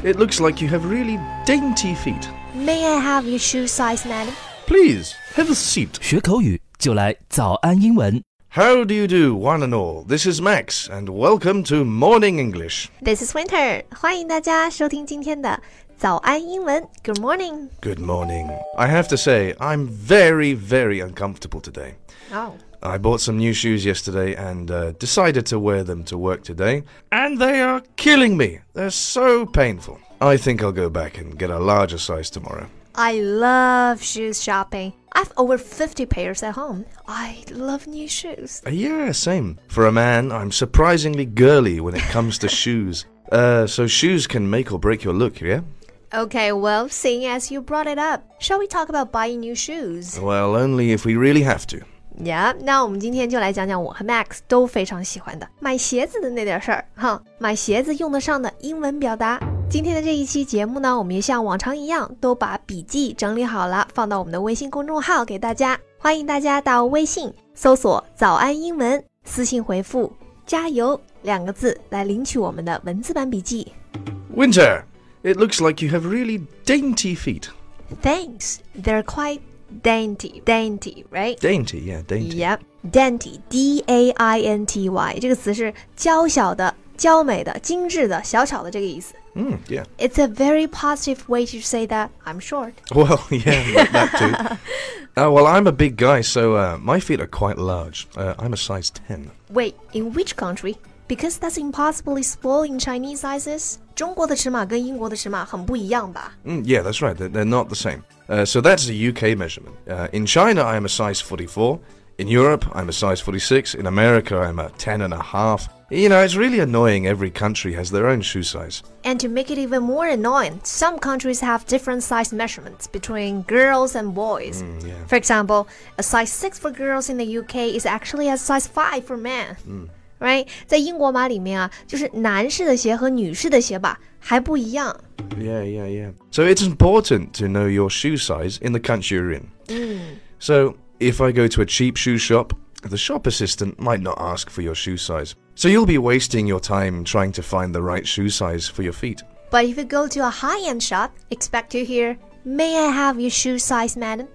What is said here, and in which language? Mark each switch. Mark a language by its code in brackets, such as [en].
[en] It looks like you have really dainty feet. May I have your shoe size, madam? Please, have a seat. [zh] 学口语就来早安英文。 [en] How do you do, one and all? This is Max, and welcome to Morning English. This is Winter. [zh] 欢迎大家收听今天的早安英文。 [en] Good morning. Good morning. I have to say, I'm very, very uncomfortable today. Oh. I bought some new shoes yesterday and decided to wear them to work today. And they are killing me. They're so painful. I think I'll go back and get a larger size tomorrow. I love shoes shopping. I have over 50 pairs at home. I love new shoes. Yeah, same. For a man, I'm surprisingly girly when it comes to shoes. So shoes can make or break your look, yeah? Okay, well, seeing as you brought it up, shall we talk about buying new shoes? Well, only if we really have to. Yeah, [zh] 那我们今天就来讲讲我和 Max 都非常喜欢的买鞋子的那点事儿哈，买鞋子用得上的英文表达。今天的这一期节目呢，我们也像往常一样，都把笔记整理好了，放到我们的微信公众号给大家。欢迎大家到微信搜索“早安英文”，私信回复“加油”两个字来领取我们的文字版笔记。 [en] Winter, it looks like you have really dainty feet. Thanks, they're quite. Dainty, right? Dainty, yeah, dainty. Yep, dainty, D-A-I-N-T-Y. [zh] 这个词是娇小的、娇美的、精致的、小巧的这个意思。 [en] Yeah. It's a very positive way to say that I'm short. Well, yeah, that too. Well, I'm a big guy, so my feet are quite large. I'm a size 10. Wait, in which country? Because that's impossibly small in Chinese sizes. [zh] 中国的尺码跟英国的尺码很不一样吧、 [en] Yeah, that's right. They're not the same. So that's a UK measurement. In China, I'm a size 44. In Europe, I'm a size 46. In America, I'm a 10 and a half. You know, it's really annoying every country has their own shoe size. And to make it even more annoying, some countries have different size measurements between girls and boys. Yeah. For example, a size 6 for girls in the UK is actually a size 5 for men. Right, [zh] 在英国码里面啊，就是男士的鞋和女士的鞋吧，还不一样。 [en] Yeah. So it's important to know your shoe size in the country you're in. So if I go to a cheap shoe shop, the shop assistant might not ask for your shoe size. So you'll be wasting your time trying to find the right shoe size for your feet. But if you go to a high-end shop, expect to hear, "May I have your shoe size, madam?"